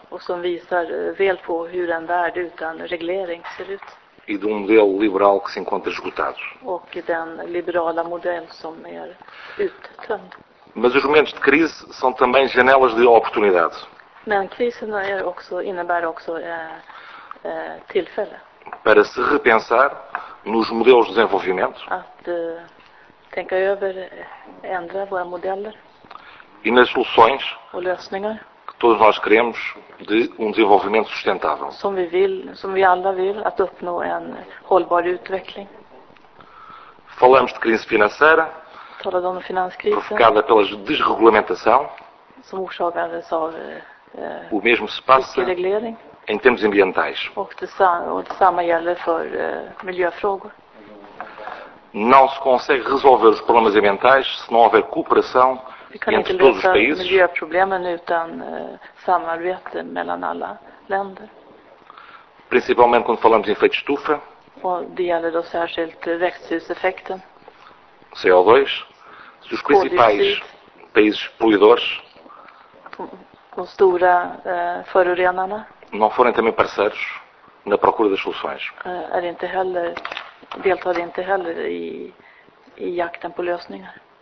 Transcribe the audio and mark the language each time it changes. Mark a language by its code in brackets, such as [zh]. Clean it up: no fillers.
[sv] Och som visar väl på hur en värld utan reglering ser ut. [pt] E de um modelo liberal que se encontra esgotado. [sv] Och den liberala modell som är uttömd. [pt] Mas os momentos de crise são também janelas de oportunidade. [sv] Men krisen är också innebär också tillfälle. [pt] Para se repensar nos modelos de desenvolvimento. [sv] Att tänka över ändra våra modeller. [pt] E nas soluções [sv] och lösningar [pt] que todos nós queremos de um desenvolvimento sustentável. [sv] Som vi vill, som vi alla vill, att uppnå en hållbar utveckling. [pt] Falamos de crise financeira. Falando da finanskrisen. Provocada pela desregulamentação. [sv] Som orsakades av [pt] o mesmo se passa em termos ambientais. [sv] Och detsamma gäller för miljöfrågor. [pt] Não se consegue resolver os problemas ambientais se não houver cooperação. [sv] Vi kan inte lösa miljöproblemen utan samarbete mellan alla länder. [pt] Principalmente quando falamos de efeito estufa. [sv] Och det gäller då särskilt växthuseffekten. [pt] CO2. Se os principais países poluidores. [sv] De stora förorenarna. [pt] Não forem também parceiros na procura das soluções. [sv] Är inte heller, deltar inte heller i jakten på lösningar.